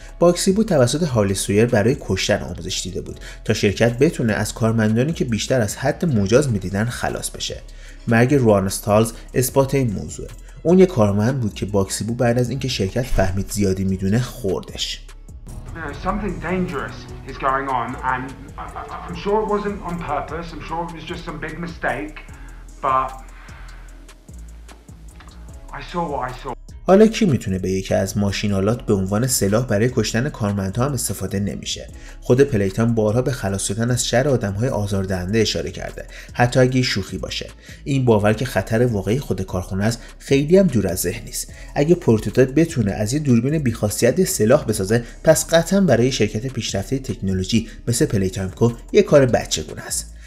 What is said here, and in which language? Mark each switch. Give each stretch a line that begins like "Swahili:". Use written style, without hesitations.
Persian: باکسیبو توسط هالی سویر برای کشتن آموزش دیده بود تا شرکت بتونه از کارمندانی که بیشتر از حد مجاز میدیدن خلاص بشه. مرگ روان استالز اثبات این موضوعه. اون یه کارمند بود که باکسیبو بعد از اینکه شرکت فهمید زیادی میدونه خوردش.
English: Something dangerous is going on, and I'm sure it wasn't on purpose. I'm sure it was just some big mistake, but I saw what I saw.
Persian: حالا کی میتونه به یکی از ماشین‌آلات به عنوان سلاح برای کشتن کارمندها هم استفاده نمیشه. خود پلیتام بارها به خلاص شدن از شر آدم‌های آزاردهنده اشاره کرده، حتی اگه شوخی باشه. این باور که خطر واقعی خود کارخونه است خیلی هم دور از ذهن نیست. اگه پروتوتایپ بتونه از یه دوربین بی‌خاصیت سلاح بسازه، پس قطعاً برای شرکت پیشرفته تکنولوژی مثل پلیتامکو یه کار بچگونه است.